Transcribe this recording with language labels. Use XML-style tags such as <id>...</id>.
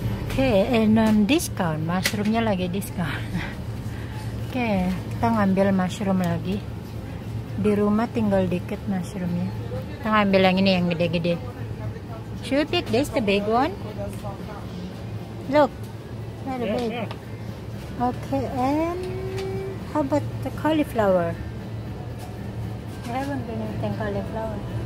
<en>Okay, and on discount,</en> <id>mushroomnya lagi</id> <en>discount.</en> <id>Okay, kita ngambil mushroom lagi. Di rumah tinggal dikit mushroomnya. Kita ambil yang ini yang gede-gede.</id> <en>Should we pick this, the big one? Look, very big. Okay, and how about the cauliflower? I haven't been eating cauliflower.</en>